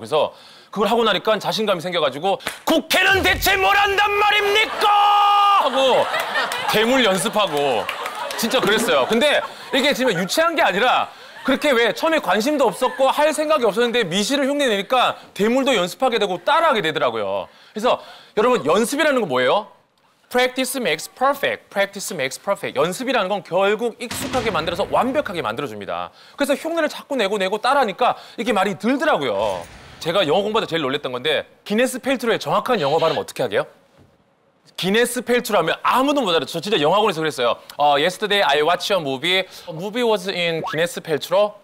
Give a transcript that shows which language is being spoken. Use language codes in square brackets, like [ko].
[ko] 그래서 그걸 하고 나니까 자신감이 생겨가지고 국회는 대체 뭘 한단 말입니까? 하고 대물 연습하고 진짜 그랬어요. 근데 이게 지금 유치한 게 아니라 그렇게 왜 처음에 관심도 없었고 할 생각이 없었는데 미실을 흉내내니까 대물도 연습하게 되고 따라하게 되더라고요. 그래서 여러분 연습이라는 건 뭐예요? [en] Practice makes perfect. Practice makes perfect. [ko] 연습이라는 건 결국 익숙하게 만들어서 완벽하게 만들어줍니다. 그래서 흉내를 자꾸 내고 따라하니까 이게 말이 들더라고요. 제가 영어 공부하다 제일 놀랬던 건데 기네스 펠트로의 정확한 영어 발음 어떻게 하게요? 기네스 펠트로 하면 아무도 못 알아요. 저 진짜 영화관에서 그랬어요. [en] Yesterday I watched a movie. Movie was in 기네스 펠트로.